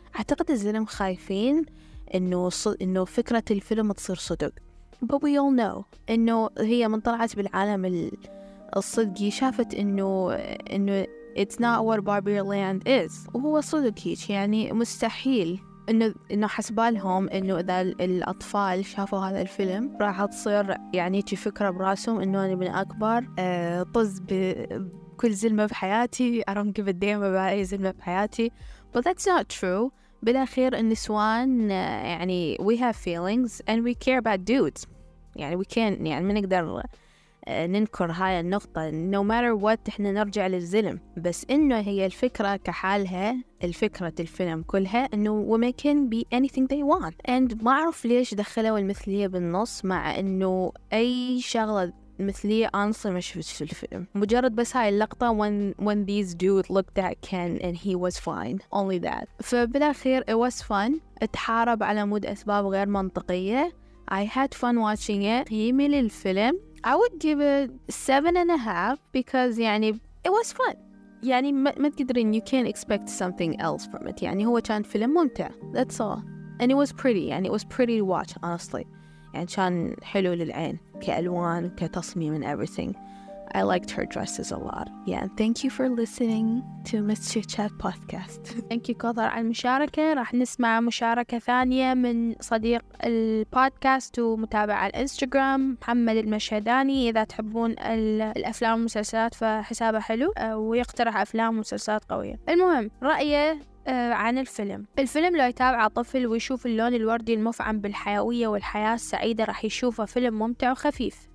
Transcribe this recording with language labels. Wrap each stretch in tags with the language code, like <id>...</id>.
<ar>أعتقد الزلم خايفين إنه فكرة الفيلم تصير صدق.</ar> <en>But we all know</en> <ar>إنه هي من طلعت بالعالم الصدقي شافت إنه</ar> <en>it's not what Barbie Land is.</en> <ar>وهو صدق هيك، يعني مستحيل إنه حسبالهم إنه إذا الأطفال شافوا هذا الفيلم راح تصير يعني تي فكرة براسهم إنه أنا من أكبر طز بكل زلمة بحياتي،</ar> <en>I don't give a damn about</en> <ar>أي زلمة بحياتي.</ar> <en>But that's not true.</en> <ar>بالأخير النسوان يعني</ar> <en>we have feelings and we care about dudes.</en> <ar>يعني</ar> <en>we can't</en> <ar>يعني ما نقدر ننكر هاي النقطة.</ar> <en>No matter what</en> <ar>إحنا نرجع للزلم، بس إنه هي الفكرة كحالها، الفكرة الفيلم كلها إنه</ar> <en>women can be anything they want.</en> <ar>and ما أعرف ليش دخلوا المثلية بالنص، مع إنه أي شغلة مثلية honestly ما شفتش في الفيلم. مجرد بس هاي اللقطة</ar> <en>when these dudes looked at Ken and he was fine only that. فبالأخير it was fun.</en> <ar>اتحارب على مود أسباب غير منطقية.</ar> <en>I had fun watching it.</en> <ar>قيمي للفيلم</ar> <en>I would give it 7.5 because يعني it was fun.</en> <ar>يعني ما تقدرين</ar> <en>you can't expect something else from it.</en> <ar>يعني هو كان فيلم ممتع.</ar> <en>That's all. And it was pretty. يعني it was pretty to watch honestly.</en> <ar>يعني كان حلو للعين كألوان كتصميم</ar> <en>and everything. I liked her dresses a lot. Yeah. Thank you for listening to Miss Chit Chat podcast. Thank you</en> <ar>كثر على المشاركة. راح نسمع مشاركة ثانية من صديق البودكاست ومتابع على الانستغرام محمد المشهداني. إذا تحبون الأفلام والمسلسلات فحسابه حلو ويقترح أفلام ومسلسلات قوية. المهم رأيه عن الفيلم. الفيلم لو يتابع طفل ويشوف اللون الوردي المفعم بالحيوية والحياة السعيدة راح يشوفه فيلم ممتع وخفيف.</ar>